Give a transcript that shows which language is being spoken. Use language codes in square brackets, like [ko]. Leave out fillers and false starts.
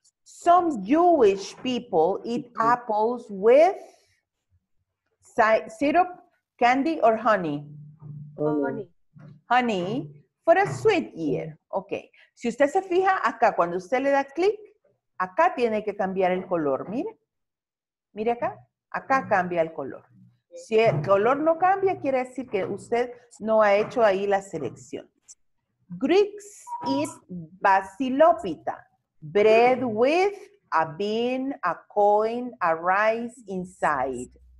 [en] Some Jewish people eat apples with syrup, candy, or honey? Honey. Honey for a sweet year. Okay. [es] Si usted se fija acá, cuando usted le da clic, acá tiene que cambiar el color, mire. Mire acá. Acá cambia el color. Si el color no cambia, quiere decir que usted no ha hecho ahí la selección. [en] Greeks eat basilopita. Bread with a bean, a coin, a rice inside.